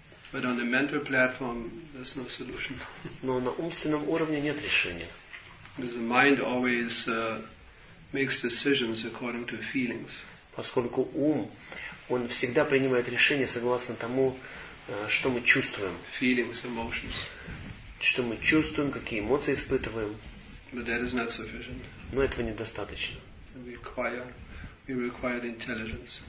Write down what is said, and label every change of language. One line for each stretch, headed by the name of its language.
English: But on the mental platform, there's no solution.
Russian: Но на умственном уровне нет решения.
English: The mind always makes decisions according to feelings.
Russian: Поскольку ум, он всегда принимает решения согласно тому, что мы чувствуем.
English: Feelings, emotions.
Russian: Что мы чувствуем, какие эмоции испытываем.
English: But that is not sufficient.
Russian: Но этого недостаточно.
English: We require intelligence.